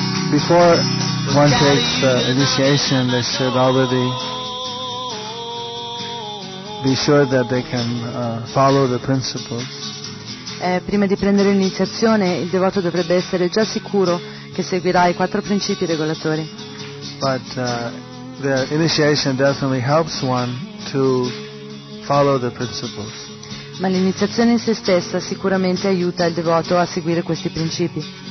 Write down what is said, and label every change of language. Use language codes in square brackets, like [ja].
[en] Before one takes the initiation, they should already be sure that they can follow the principles. [it] Prima di prendere l'iniziazione, il devoto dovrebbe essere già sicuro che seguirà i quattro principi regolatori. [en] But the initiation definitely helps one to follow the principles. [it] ma l'iniziazione in se stessa sicuramente aiuta il devoto a seguire questi principi.